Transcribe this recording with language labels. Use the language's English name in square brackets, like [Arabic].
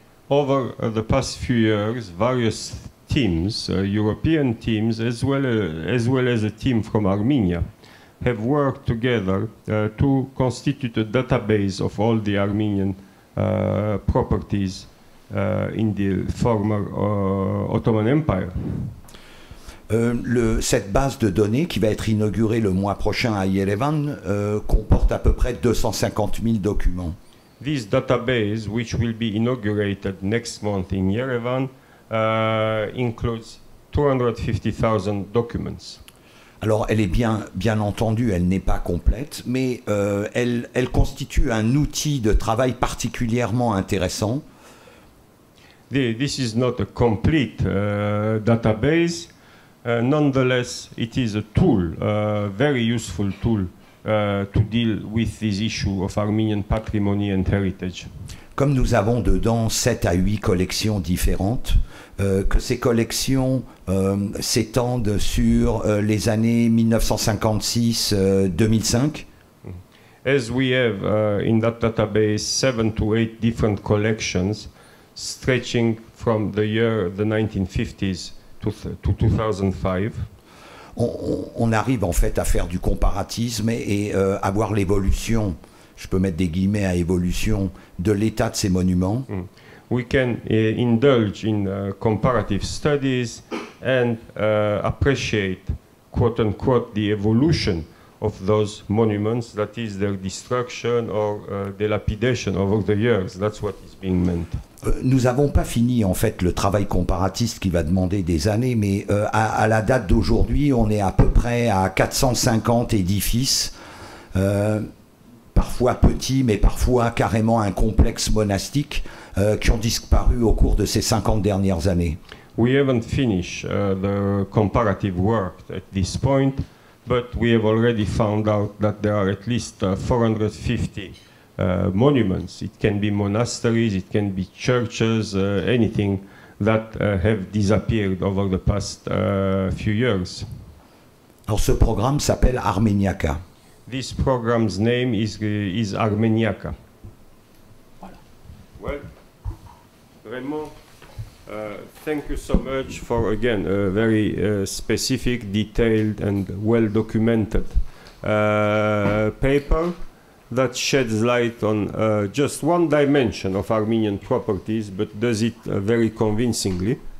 [English] Over the past few years, various teams, European teams, as well as a team from Armenia, have worked together to constitute a database of all the Armenian properties in the former Ottoman Empire. [French] Cette base de données, qui va être inaugurée le mois prochain à Yerevan, comporte à peu près 250 000 documents. [English] This database, which will be inaugurated next month in Yerevan, includes 250,000 documents. [French] Alors, elle est bien entendu, elle n'est pas complète, mais elle constitue un outil de travail particulièrement intéressant. [English] This is not a complete database. Nonetheless, it is a tool, a very useful tool. To deal with this issue of Armenian patrimony and heritage. [French] Comme nous avons dedans 7 à 8 collections différentes, que ces collections s'étendent sur les années 1956-2005. [English] As we have in that database 7 to 8 different collections stretching from the 1950s 2005. [French] On arrive en fait à faire du comparatisme et à voir l'évolution, je peux mettre des guillemets à évolution, de l'état de ces monuments. [English] We can indulge in comparative studies and appreciate, quote unquote, the evolution of those monuments, that is their destruction or dilapidation over the years. That's what is being meant. [French] Nous n'avons pas fini en fait le travail comparatiste qui va demander des années, mais à la date d'aujourd'hui, on est à peu près à 450 édifices, parfois petits, mais parfois carrément un complexe monastique, qui ont disparu au cours de ces 50 dernières années. [English] We haven't finished the comparative work at this point, but we have already found out that there are at least 450 monuments. It can be monasteries, it can be churches, anything that have disappeared over the past few years. [French] Alors ce programme s'appelle Armeniaca. [English] This program's name is Armeniaca. Voilà. Well, Raymond, thank you so much for, again, a very specific, detailed and well-documented paper that sheds light on just one dimension of Armenian properties, but does it very convincingly.